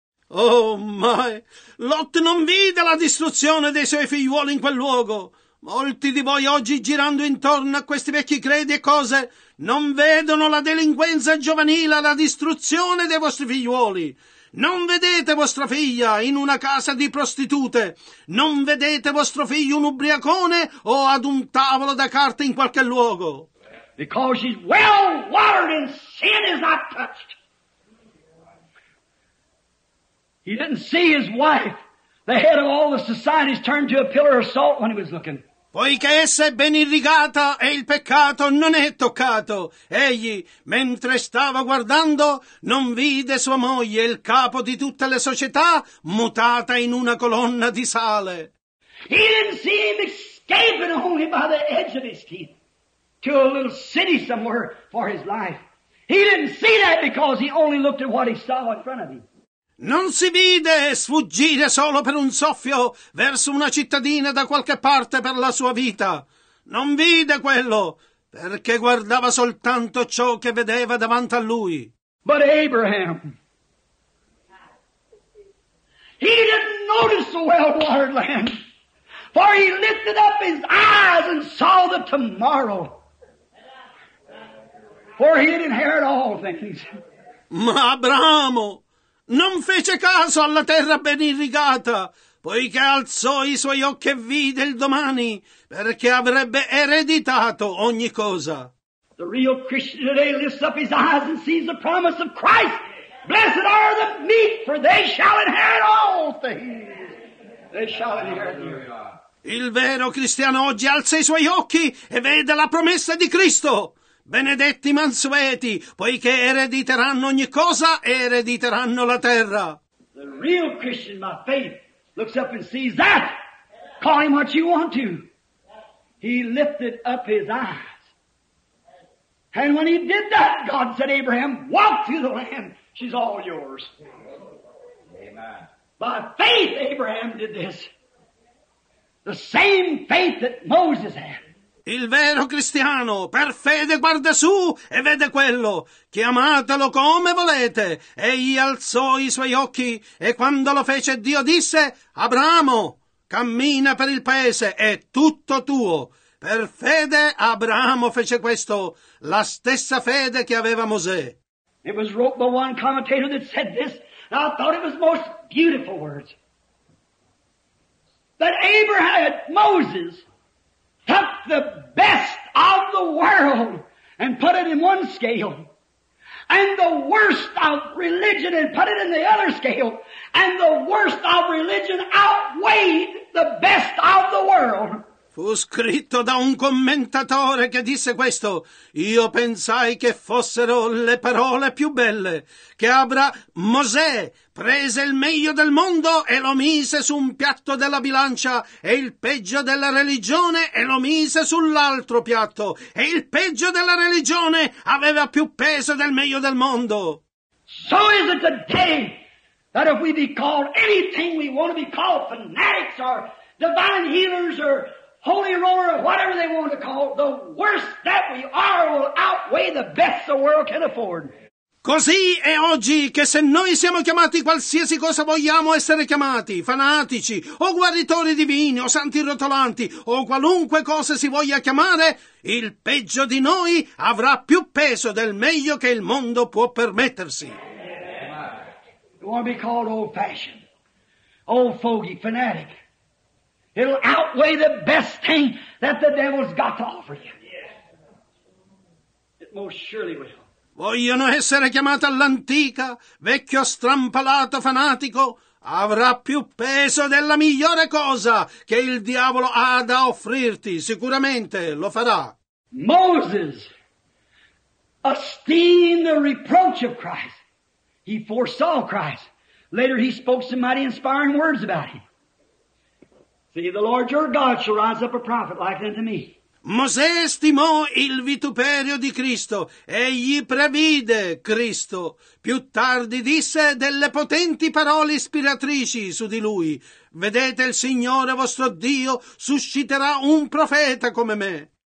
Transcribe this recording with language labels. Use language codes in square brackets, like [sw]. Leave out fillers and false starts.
[it] Oh, mai! Lot non vide la distruzione dei suoi figliuoli in quel luogo. Molti di voi oggi, girando intorno a questi vecchi credi e cose, non vedono la delinquenza giovanile, la distruzione dei vostri figliuoli. Non vedete vostra figlia in una casa di prostitute. Non vedete vostro figlio un ubriacone o ad un tavolo da carte in qualche luogo. [en] Because she's well watered and sin is not touched. He didn't see his wife, the head of all the societies, turned to a pillar of salt when he was looking. [it] Poiché essa è ben irrigata e il peccato non è toccato, egli, mentre stava guardando, non vide sua moglie, il capo di tutte le società, mutata in una colonna di sale. [en] He didn't see him escaping only by the edge of his teeth to a little city somewhere for his life. He didn't see that because he only looked at what he saw in front of him. [it] Non si vide sfuggire solo per un soffio verso una cittadina da qualche parte per la sua vita. Non vide quello, perché guardava soltanto ciò che vedeva davanti a lui. [en] But Abraham, he didn't notice the well-watered land, for he lifted up his eyes and saw the tomorrow, for he had inherited all things. [it] Ma Abramo non fece caso alla terra ben irrigata, poiché alzò i suoi occhi e vide il domani, perché avrebbe ereditato ogni cosa. [en] The real Christian today lifts up his eyes and sees the promise of Christ. Blessed are the meek, for they shall inherit all things. They shall inherit the earth. [it] Il vero cristiano oggi alza i suoi occhi e vede la promessa di Cristo. Benedetti mansueti, poiché erediteranno ogni cosa e erediteranno la terra. [en] The real Christian, by faith, looks up and sees that. Call him what you want to. He lifted up his eyes. And when he did that, God said, Abraham, walk through the land. She's all yours. Amen. By faith, Abraham did this. The same faith that Moses had. [it] Il vero cristiano, per fede, guarda su e vede quello. Chiamatelo come volete. Egli alzò i suoi occhi e quando lo fece Dio disse, Abramo, cammina per il paese, è tutto tuo. Per fede Abramo fece questo, la stessa fede che aveva Mosè. [en] It was wrote by one commentator that said this, and I thought it was most beautiful words. That Abraham, Moses, took the best of the world and put it in one scale, and the worst of religion and put it in the other scale, and the worst of religion outweighed the best of the world. [it] Fu scritto da un commentatore che disse questo. Io pensai che fossero le parole più belle, che Mosè prese il meglio del mondo e lo mise su un piatto della bilancia, e il peggio della religione e lo mise sull'altro piatto, e il peggio della religione aveva più peso del meglio del mondo. [en] So is it today that if we be called anything we want to be called, fanatics or divine healers or holy roller, whatever they want to call it, the worst that we are will outweigh the best the world can afford. [it] Così è oggi che se noi siamo chiamati qualsiasi cosa vogliamo essere chiamati, fanatici, o guaritori divini, o santi rotolanti, o qualunque cosa si voglia chiamare, il peggio di noi avrà più peso del meglio che il mondo può permettersi. [en] You want to be called old-fashioned, old fogey, fanatic. It'll outweigh the best thing that the devil's got to offer you. It most surely will. [it] Vogliono essere chiamata all'antica, vecchio strampalato fanatico? Avrà più peso della migliore cosa che il diavolo ha da offrirti. Sicuramente lo farà. [en] Moses esteemed the reproach of Christ. He foresaw Christ. Later he spoke some mighty inspiring words about him. See, the Lord your God shall rise up a prophet like unto me. [it] Mosè stimò il vituperio di Cristo, egli previde Cristo. Più tardi disse delle potenti parole ispiratrici su di lui. Vedete, il Signore vostro Dio susciterà un profeta come me.